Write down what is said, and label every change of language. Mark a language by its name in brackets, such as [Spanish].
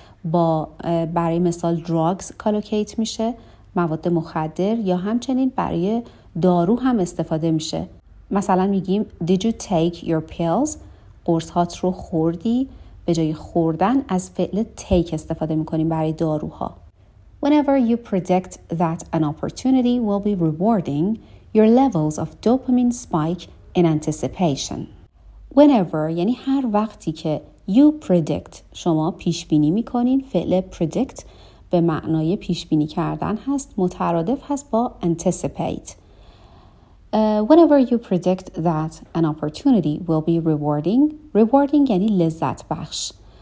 [Persian] با برای مثال drugs collocate میشه، مواد مخدر، یا همچنین برای دارو هم استفاده میشه. مثلا میگیم [English] did you take your pills؟ [Persian] قرص هات رو خوردی؟ به جای خوردن از فعل take استفاده میکنیم برای داروها. [English] Whenever you predict that an opportunity will be rewarding, your levels of dopamine spike in anticipation. [Persian] Whenever یعنی هر وقتی که [English] you predict، [Persian] شما پیش بینی میکنین. فعل predict به معنای پیش بینی کردن هست، مترادف هست با anticipate. [English] Whenever you predict that an opportunity will be rewarding، rewarding [Persian] یعنی لذت بخش.